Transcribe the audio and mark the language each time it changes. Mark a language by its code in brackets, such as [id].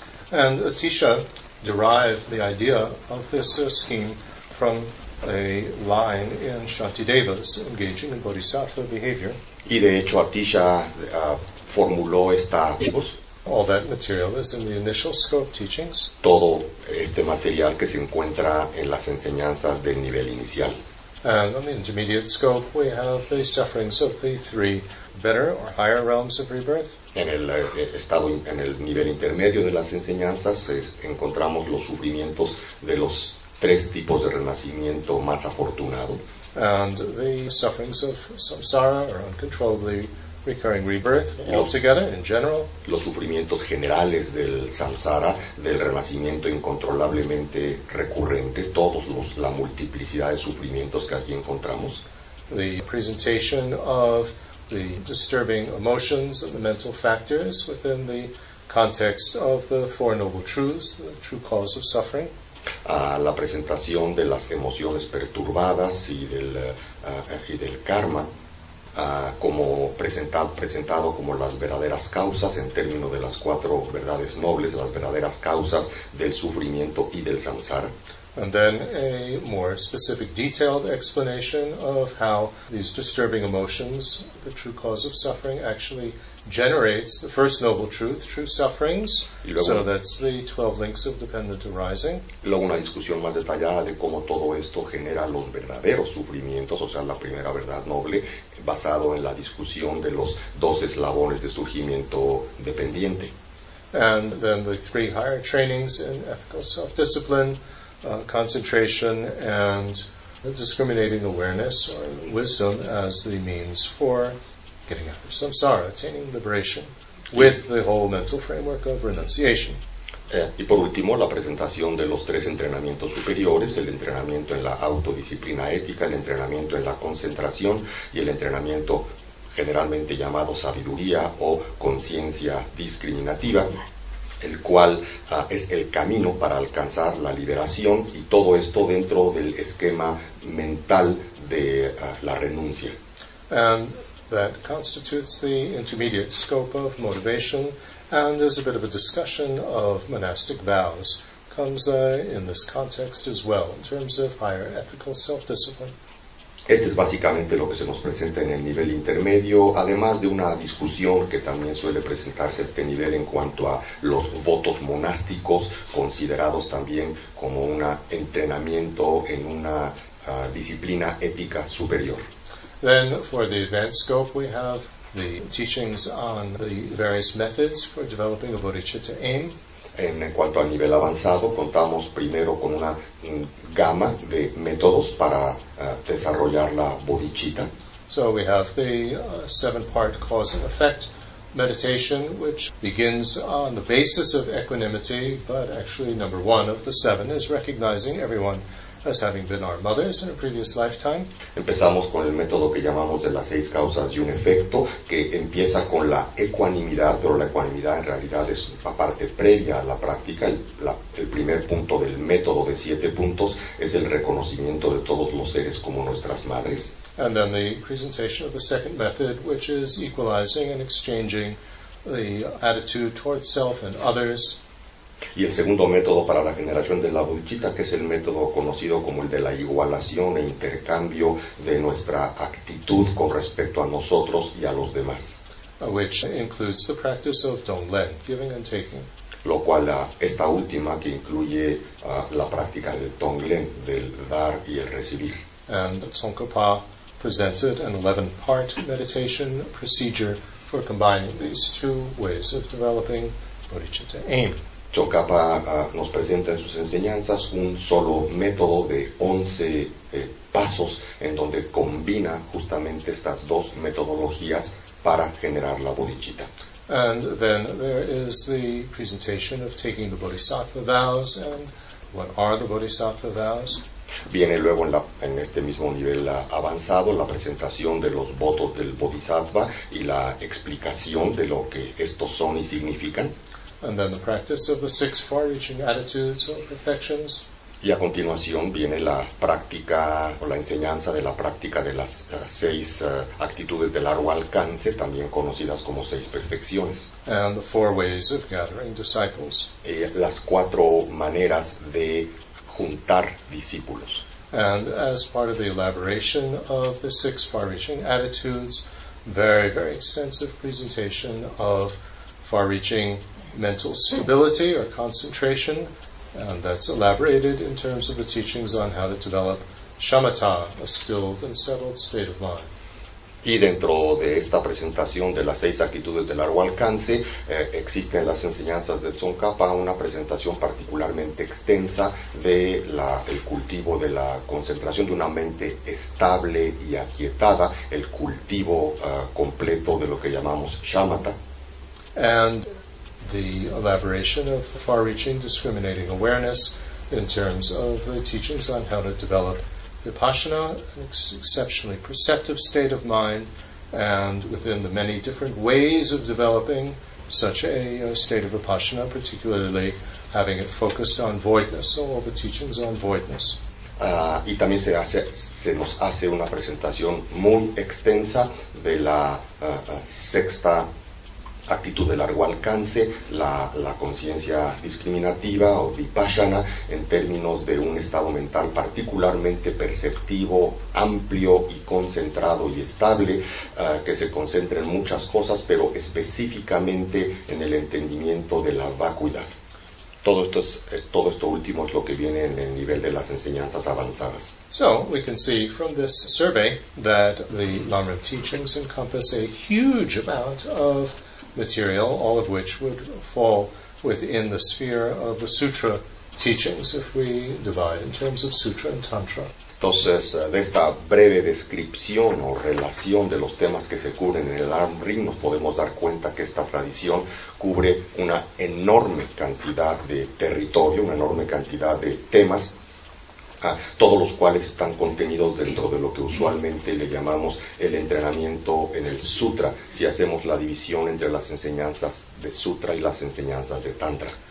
[en] And Atisha derived the idea of this scheme from a line in Shantideva's engaging in bodhisattva behavior. [es] Y de hecho Atisha formuló esta voz. [en] All that material is in the initial scope teachings. [es] Todo este material que se encuentra en las enseñanzas del nivel inicial. [en] And on the intermediate scope, we have the sufferings of the three better or higher realms of rebirth. [es] En el nivel intermedio de las enseñanzas, encontramos los sufrimientos de los tres tipos de renacimiento más afortunado. [en] And the sufferings of samsara or uncontrollably recurring rebirth altogether in general. [es] Los sufrimientos generales del samsara, del renacimiento incontrolablemente recurrente, todos los, la multiplicidad de sufrimientos que aquí encontramos. [en] The presentation of the disturbing emotions and the mental factors within the context of the Four Noble Truths, the true cause of suffering. [es] A la presentación de las emociones perturbadas y del karma como presentado como las verdaderas causas en términos de las cuatro verdades nobles, las verdaderas causas del sufrimiento y del samsara. [en] And then a more specific detailed explanation of how these disturbing emotions, the true cause of suffering, actually generates the first noble truth, true sufferings. [es] Luego, [en] so that's the 12 links of dependent arising. [es] Luego una discusión más detallada de cómo todo esto genera los verdaderos sufrimientos, o sea, la primera verdad noble, basado en la discusión de los 12 eslabones de surgimiento dependiente. [en] And then the three higher trainings in ethical self-discipline, concentration and discriminating awareness or wisdom as the means for getting out of samsara, attaining liberation, with the whole mental framework of renunciation. [es] Y por último, la presentación de los tres entrenamientos superiores, el entrenamiento en la autodisciplina ética, el entrenamiento en la concentración y el entrenamiento generalmente llamado sabiduría o conciencia discriminativa, el cual es el camino para alcanzar la liberación y todo esto dentro del esquema mental de la renuncia. [en] And that constitutes the intermediate scope of motivation, and there's a bit of a discussion of monastic vows comes in this context as well in terms of higher ethical self-discipline. [es] Este es básicamente lo que se nos presenta en el nivel intermedio, además de una discusión que también suele presentarse a este nivel en cuanto a los votos monásticos, considerados también como un entrenamiento en una disciplina ética superior. [en] Then, for the advanced scope, we have the teachings on the various methods for developing a bodhicitta aim. [es] En cuanto al nivel avanzado, contamos primero con una gama de métodos para desarrollar la bodhicitta. [en] So we have the seven-part cause and effect meditation, which begins on the basis of equanimity, but actually number one of the seven is recognizing everyone as having been our mothers in a previous lifetime. [es] Empezamos con el método que llamamos de las seis causas y un efecto, que empieza con la ecuanimidad, pero la ecuanimidad en realidad es la parte previa a la práctica. El primer punto del método de siete puntos es el reconocimiento de todos los seres como nuestras madres. [en] And then the presentation of the second method, which is equalizing and exchanging the attitude towards self and others. [es] Y el segundo método para la generación de la bodhicitta, que es el método conocido como el de la igualación e intercambio de nuestra actitud con respecto a nosotros y a los demás. [en] Which includes the practice of donglen, giving and taking. [es] Lo cual, esta última que incluye la práctica del donglen, del dar y el recibir. [en] And Tsongkhapa presented an 11-part meditation procedure for combining these two ways of developing bodhicitta aim. [es] Tsongkhapa nos presenta en sus enseñanzas un solo método de 11 pasos en donde combina justamente estas dos metodologías para generar la bodhicitta. [en] And then there is the presentation of taking the bodhisattva vows, and what are the bodhisattva vows? [es] Viene luego en este mismo nivel avanzado la presentación de los votos del bodhisattva y la explicación de lo que estos son y significan. [en] And then the practice of the six far-reaching attitudes or perfections. [es] Y a continuación viene la práctica o la enseñanza de la práctica de las seis actitudes de largo alcance, también conocidas como seis perfecciones. [en] And the four ways of gathering disciples. [es] Y las cuatro maneras de juntar discípulos. [en] And as part of the elaboration of the six far-reaching attitudes, very, very extensive presentation of far-reaching mental stability or concentration, and that's elaborated in terms of the teachings on how to develop shamatha, a stilled and settled state of mind. [es] Y dentro de esta presentación de las seis actitudes de largo alcance, existen las enseñanzas de Tsongkhapa, una presentación particularmente extensa de el cultivo de la concentración de una mente estable y aquietada, el cultivo completo de lo que llamamos shamatha. [en] And the elaboration of far-reaching discriminating awareness in terms of the teachings on how to develop Vipassana, an exceptionally perceptive state of mind, and within the many different ways of developing such a state of Vipassana, particularly having it focused on voidness, so all the teachings on voidness. [es] Y también se nos hace una presentación muy extensa de la sexta actitud de largo alcance, la conciencia discriminativa o vipassana, en términos de un estado mental particularmente perceptivo, amplio y concentrado y estable, que se concentra en muchas cosas, pero específicamente en el entendimiento de la vacuidad. Todo esto último es lo que viene en el nivel de las enseñanzas avanzadas. [en] So, we can see from this survey that the lam-rim teachings encompass a huge amount of material, all of which would fall within the sphere of the sutra teachings if we divide in terms of sutra and tantra. [es] Entonces, de esta breve descripción o relación de los temas que se cubren en el lam-rim, nos podemos dar cuenta que esta tradición cubre una enorme cantidad de territorio, una enorme cantidad de temas, todos los cuales están contenidos dentro de lo que usualmente le llamamos el entrenamiento en el sutra, si hacemos la división entre las enseñanzas de sutra y las enseñanzas de tantra.